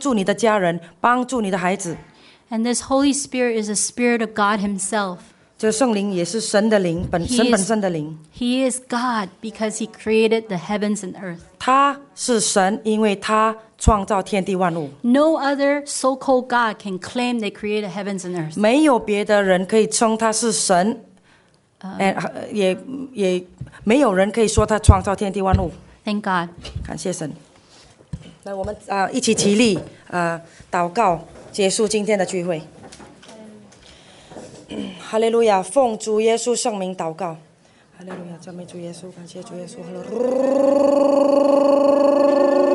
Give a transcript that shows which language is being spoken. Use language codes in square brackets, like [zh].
[zh] 如果你今天求圣灵的话，圣灵可以帮助你，帮助你的家人，帮助你的孩子。 [en] And this Holy Spirit is a spirit of God himself. [zh] 这圣灵也是神的灵，神本身的灵。 [en] He is God because he created the heavens and earth. [zh] 他是神，因为他创造天地万物。 [en] No other so-called God can claim they created the heavens and earth. [zh] 没有别的人可以称他是神。也没有人可以说他创造天地万物。 [en] Thank God. [zh] 感谢神。来，我们一起起立，祷告，结束今天的聚会。哈利路亚，奉主耶稣圣名祷告。哈利路亚，赞美主耶稣，感谢主耶稣。哈利路亚。